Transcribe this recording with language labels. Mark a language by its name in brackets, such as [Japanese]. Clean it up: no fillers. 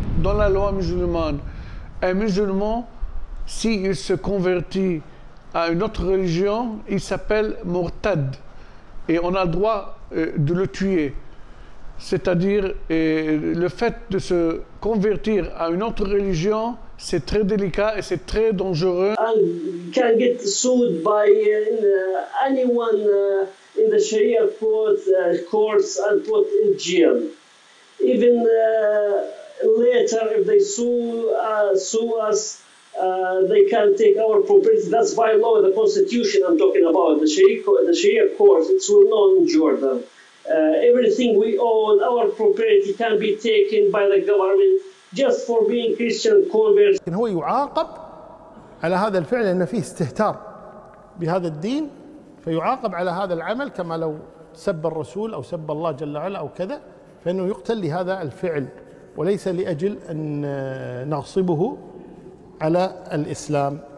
[French] Dans la loi musulmane, un musulman, s'il se convertit à une autre religion, il s'appelle Murtad. Et on a le droit de le tuer. C'est-à-dire, le fait de se convertir à une autre religion, c'est très délicat et c'est très dangereux. [English] I can get sued by anyone in the Sharia court, courts and put in jail. Even later, if they sue us, they can take our property. That's by law, the constitution I'm talking about, the Sharia court, it's well known in Jordan. Everything we own, our property can be taken by the government just for being Christian converts. [Arabic] هو يعاقب على هذا الفعل لأن فيه استهتار بهذا الدين فيعاقب على هذا العمل كما لو سب الرسول أو سب الله جل وعلا أو كذا فإنه يقتل لهذا الفعل وليس لأجل أن نغصبه على الإسلام.